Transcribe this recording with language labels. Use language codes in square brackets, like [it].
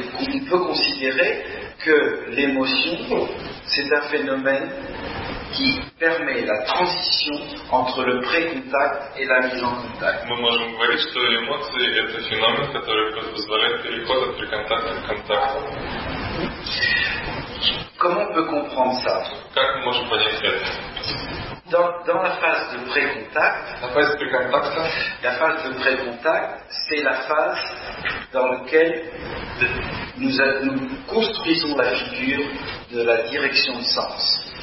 [fr] on peut considérer que l'émotion, c'est un phénomène qui permet la transition entre le pré-contact et la mise en contact. [ru] Мы можем говорить, что эмоции – это феномен, который позволяет переход от pré-контакта к контакту. [fr] Comment on peut comprendre ça? [ru] Как мы можем понять это? [fr] Dans la phase de pré-contact, c'est la phase dans laquelle nous construisons la figure de la direction de sens.